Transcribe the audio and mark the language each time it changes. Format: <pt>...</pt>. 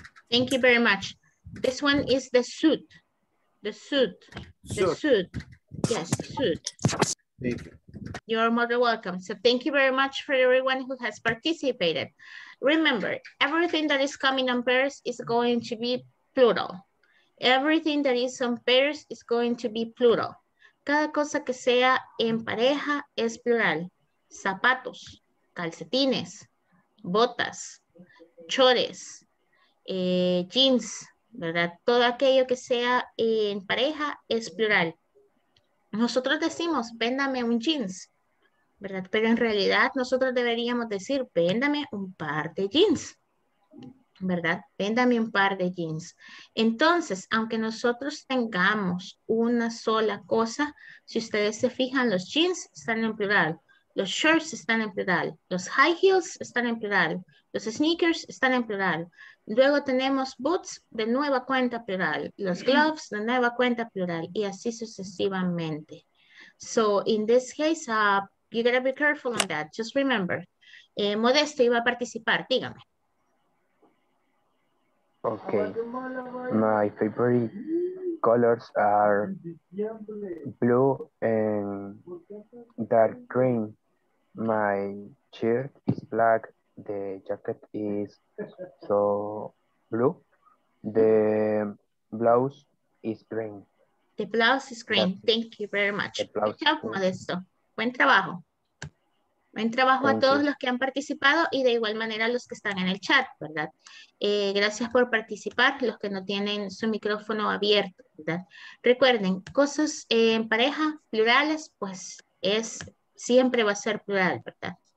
<en>Thank you very much. This one is the suit. The suit. The suit. Yes, suit. Thank you. You're more than welcome. So thank you very much for everyone who has participated. Remember, everything that is coming on pairs is going to be plural. Everything that is on pairs is going to be plural.</en> <es>Cada cosa que sea en pareja es plural. Zapatos, calcetines, botas, chores, jeans, ¿verdad? Todo aquello que sea en pareja es plural. Nosotros decimos, véndame un jeans, ¿verdad? Pero en realidad nosotros deberíamos decir, véndame un par de jeans, ¿verdad? Véndame un par de jeans. Entonces, aunque nosotros tengamos una sola cosa, si ustedes se fijan, los jeans están en plural, los shorts están en plural, los high heels están en plural, los sneakers están en plural. Luego tenemos boots de nueva cuenta plural, los gloves de nueva cuenta plural, y así sucesivamente.</es> <en>So, in this case, you gotta be careful on that. Just remember,</en> <es>Modesto iba a participar, dígame.</es> <en>Okay, my favorite colors are blue and dark green. My shirt is black, the jacket is so blue, the blouse is green. The blouse is green, thank you very much. Good job, Modesto.</en> <es>Buen trabajo. Buen trabajo a todos los que han participado y de igual manera a los que están en el chat, ¿verdad? Gracias por participar, los que no tienen su micrófono abierto, ¿verdad? Recuerden, cosas en pareja, plurales, pues es, siempre va a ser plural, ¿verdad?</es>